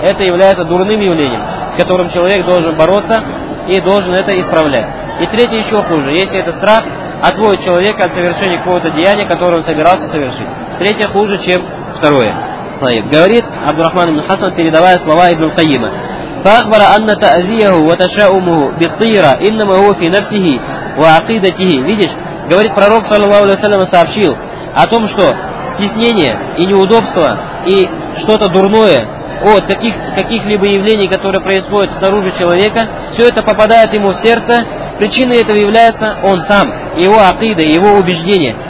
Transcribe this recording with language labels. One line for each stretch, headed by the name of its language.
Russian: Это является дурным явлением, с которым человек должен бороться и должен это исправлять. И третье еще хуже, если это страх отводит человека от совершения какого-то деяния, которое он собирался совершить. Третье хуже, чем второе. Говорит Абдурахман ибн Хасан, передавая слова ибн Каима.
Arabic: فأخبر أن تأذيه وتشاؤمه بالطيرة إنما هو في نفسه وعقيدته.
Russian: Видишь, говорит пророк, саллаллаху алейхи ва саллям, сообщил о том, что стеснение и неудобство и что-то дурное от каких-либо явлений, которые происходят снаружи человека, все это попадает ему в сердце. Причиной этого является он сам, его акида, его убеждение.